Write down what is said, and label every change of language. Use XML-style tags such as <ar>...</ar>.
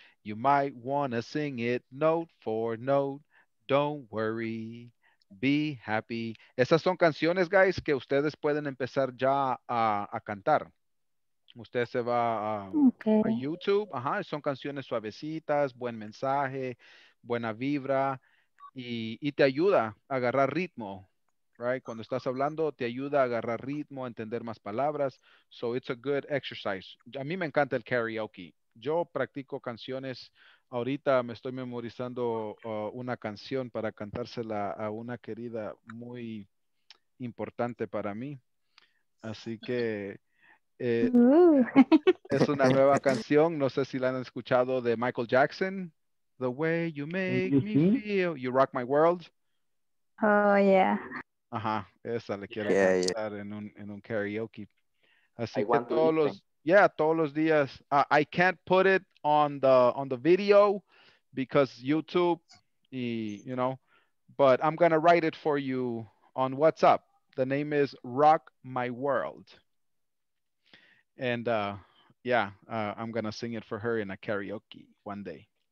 <en>You might want to sing it note for note. Don't worry. Be happy.</en> <es>Esas son canciones, guys, que ustedes pueden empezar ya a cantar. Usted se va a YouTube. Ajá, son canciones suavecitas, buen mensaje, buena vibra. Y te ayuda a agarrar ritmo.</es> <en>Right?</en> <es>Cuando estás hablando, te ayuda a agarrar ritmo, a entender más palabras.</es> <en>So it's a good exercise.</en> <es>A mí me encanta el karaoke. Yo practico canciones. Ahorita me estoy memorizando una canción para cantársela a una querida muy importante para mí. Así que es una nueva canción. No sé si la han escuchado, de Michael Jackson.</es> <en>The way you make me feel. You rock my world. Oh, yeah.</en> <es>Ajá, esa le quiero cantar en un karaoke. Así que todos los días,</es> <en>I can't put it on the video because YouTube, but I'm going to write it for you on WhatsApp. The name is Rock My World. I'm going to sing it for her in a karaoke one day.</en>